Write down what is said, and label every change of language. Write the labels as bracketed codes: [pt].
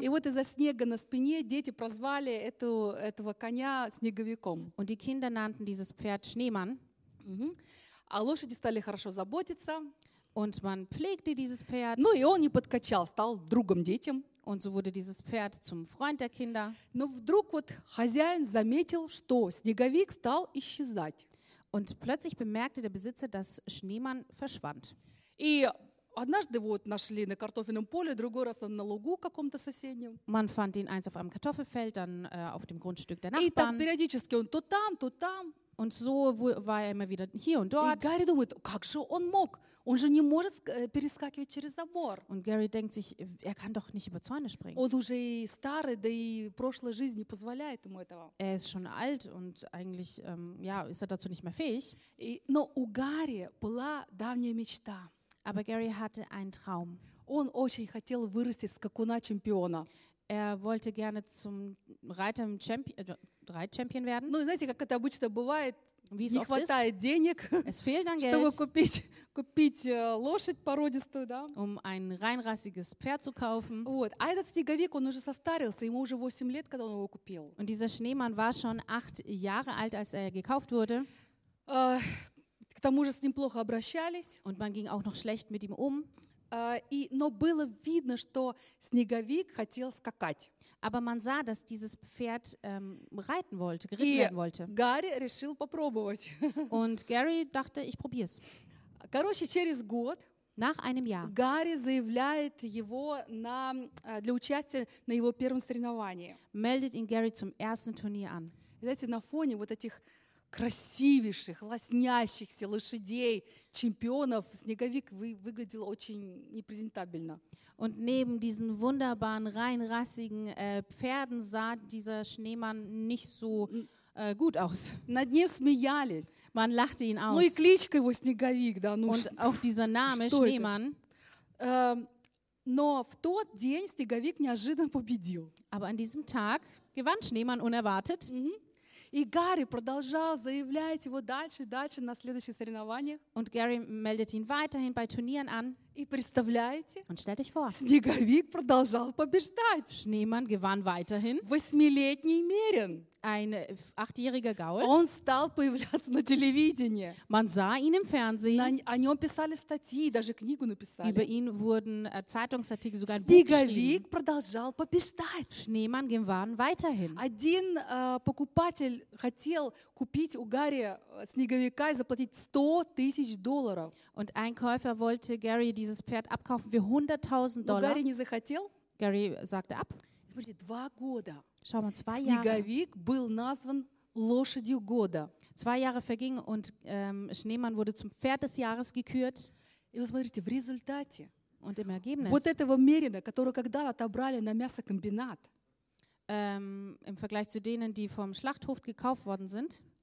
[ru] И вот из-за снега на спине дети прозвали этого коня снеговиком. [de] Und die Kinder nannten dieses Pferd Schneemann. Mm-hmm. [ru] А лошади стали хорошо заботиться. [de] Und man pflegte dieses Pferd. [ru] Ну и он не подкачал, стал другом детям. [de] Und so wurde dieses Pferd zum Freund der Kinder. [ru] Но вдруг вот хозяин заметил, что снеговик стал исчезать. [de] Und plötzlich bemerkte der Besitzer, dass Schneemann verschwand. [ru] И однажды вот нашли на картофельном поле, другой раз на лугу каком-то соседнем. [de] Man fand ihn eins auf einem Kartoffelfeld, dann auf dem Grundstück der Nachbarn. [ru] И так периодически он то там, то там. [de] Und so war er immer wieder hier und dort. [ru] И Гарри думает, как же он мог? Он же не может перескакивать через забор. [de] Und Gary denkt sich, er kann doch nicht über Zäune springen. [ru] Он уже и старый, да и прошлая жизнь не позволяет ему этого. [de] Er ist schon alt und eigentlich ja, ist er dazu nicht mehr fähig. [ru] Но у Гарри была давняя мечта. [de] Aber Gary hatte einen Traum. [ru] Он очень хотел вырасти с скакуна чемпиона. [de] Er wollte gerne zum Reiter im Reitchampion werden. [ru] Ну, знаете, как это обычно бывает, [de] wie [ru] не хватает [de] ist? [ru] Денег, [de] es fehlt dann [ru] чтобы [de] Geld, [ru] купить лошадь породистую, да? [de] Um ein reinrassiges Pferd zu kaufen. [ru] Вот. А этот снеговик, он уже состарился, ему уже 8 лет, когда он его купил. [de] Und dieser Schneemann war schon 8 Jahre alt, als er gekauft wurde. [ru] К тому же с ним плохо обращались. [de] Und man ging auch noch schlecht mit ihm um. [ru] Но было видно, что снеговик хотел скакать. [de] Aber man sah, dass dieses Pferd reiten wollte, geritten werden wollte. [ru] И Гарри решил попробовать. [de] Und Gary dachte, ich probier's. [ru] Короче, через год [de] nach einem Jahr [ru] Гарри заявляет его на для участия на его первом соревновании. [de] Meldet ihn Gary zum ersten Turnier an. [ru] Знаете, на фоне вот этих красивейших, лоснящихся лошадей, чемпионов, снеговик выглядел очень непрезентабельно. [de] Und neben diesen wunderbaren, reinrassigen Pferden sah dieser Schneemann nicht so gut aus. [ru] Над ним смеялись. [de] Man lachte ihn aus. [ru] Ну и кличка его снеговик, да, ну [de] Und auch dieser Name, Schneemann. [ru] Но в тот день снеговик неожиданно победил. [de] Aber an diesem Tag gewann Schneemann unerwartet. Mm-hmm. [ru] И Гарри продолжал заявлять его дальше и дальше на следующих соревнованиях. [de] Und Gary meldet ihn weiterhin bei Turnieren an. [ru] И представляете? [de] Und stellt euch vor. [ru] Снеговик продолжал побеждать. [de] Schneemann gewann weiterhin. [ru] Восьмилетний Мерин. [de] Ein achtjähriger Gaul. [ru] Он стал появляться на телевидении. [de] Man sah ihn im Fernsehen. [ru] О нем писали статьи, даже книгу написали. [de] Über ihn wurden Zeitungsartikel, sogar ein [ru] Снеговик [de] Buch geschrieben. [ru] Снеговик продолжал побеждать. [de] Schneemann gewann weiterhin. [ru] Один покупатель хотел купить у Гарри снеговика и заплатить 100 тысяч долларов. [de] Und ein Käufer wollte Gary dieses Pferd abkaufen für 100.000 Dollar. [ru] Но Гарри не захотел. [de] Gary sagte ab. [ru] Смотрите, два года. [de] Schau mal, zwei [ru] Снеговик [de] Jahre. [ru] Был назван лошадью года. [de] Zwei Jahre vergingen und Schneemann wurde zum Pferd des Jahres gekürt. [ru] И вот смотрите, в результате [de] und im Ergebnis, [ru] вот этого мерина, которого когда-то отобрали на мясокомбинат, [de] im Vergleich zu denen, die vom Schlachthof gekauft worden sind,